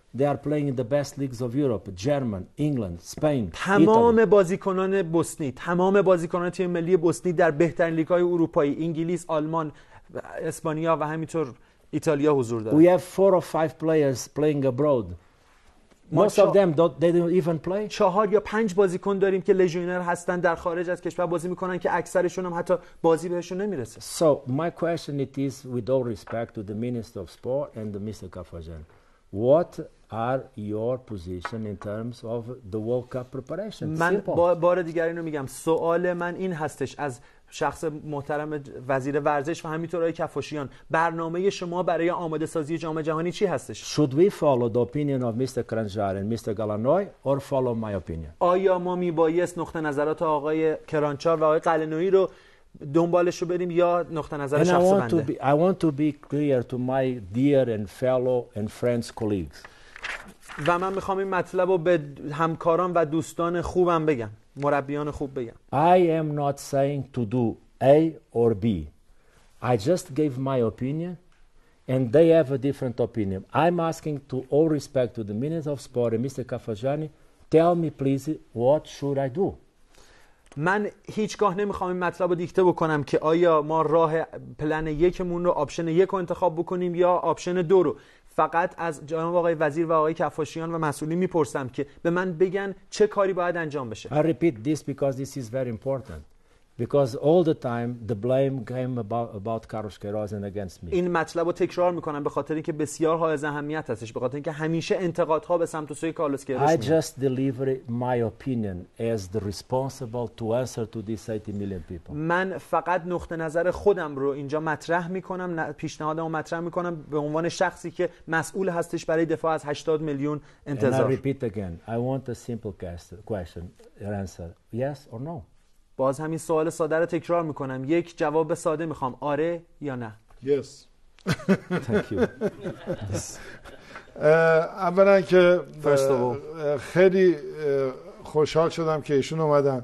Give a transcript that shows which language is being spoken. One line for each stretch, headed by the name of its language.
English: They are playing in the best leagues of Europe, German, England, Spain, Italy.
Persian: تمام بازیکنان بوسنی، تمام بازیکنان تیم ملی بوسنی در بهترین لیگ‌های اروپایی، انگلیس، آلمان، اسپانیا و همینطور ایتالیا حضور دارند.
English: We have 4 or 5 players playing abroad. Most of them don't even play.
Persian: 4 یا 5 بازیکن داریم که لژیونر هستن در خارج از کشور بازی میکنن که اکثرشون هم حتی بازی بهشون نمیرسه.
English: So my question it is with all respect to the Minister of Sport and Mr. Kafajan. What are your position in terms of the World Cup preparation?
Persian: من بار دیگر اینو میگم. سوال من این هستش از شخص محترم وزیر ورزش و همینطور آقای کفاشیان. برنامه شما برای آماده سازی جام جهانی چی هستش؟
English: Should we follow the opinion of Mr. Kranjar and Mr. Galanoy or follow my opinion?
Persian: آیا ما میبایست نقطه نظرات آقای کرانچار و آقای قلنوی رو دنبالش رو بریم یا نقطه نظر شخص بنده؟
English: I want to be clear to my dear and fellow and friends colleagues.
Persian: و من میخوام این مطلب رو به همکاران و دوستان خوبم بگم، مربیان خوب بگم.
English: I am not saying to do A or B. I just gave my opinion and they have a different opinion. I'm asking to all respect to the Minister of Sport and Mr. Kafajani, tell me please what should I do?
Persian: من هیچگاه نمیخوام این مطلب رو دیکته بکنم که آیا ما راه پلن یکمون رو آپشن یک رو انتخاب بکنیم یا آپشن دو رو. فقط از جناب آقای وزیر و آقای کفاشیان و مسئولین میپرسم که به من بگن چه کاری باید انجام بشه.
English: I repeat this because this is very important. Because all the time the blame came about Carlos Queiroz and against me.
Persian: این مطلب رو تکرار میکنم به خاطر اینکه بسیار حائز اهمیت هستش، به خاطر اینکه همیشه انتقادها به سمت و سوی کارلوس کیروش.
English: I just deliver my opinion as the responsible to answer to these 80 million people.
Persian: من فقط نقطه نظر خودم رو اینجا مطرح میکنم، پیشنهادمو مطرح میکنم به عنوان شخصی که مسئول هستش برای دفاع از 80 میلیون انتظار.
English: And I repeat again, I want a simple question, your answer, yes or no.
Persian: باز همین سوال ساده رو تکرار میکنم، یک جواب ساده میخوام، آره یا نه؟
English: Yes. Thank you.
Persian: اولا که خیلی خوشحال شدم که ایشون اومدن.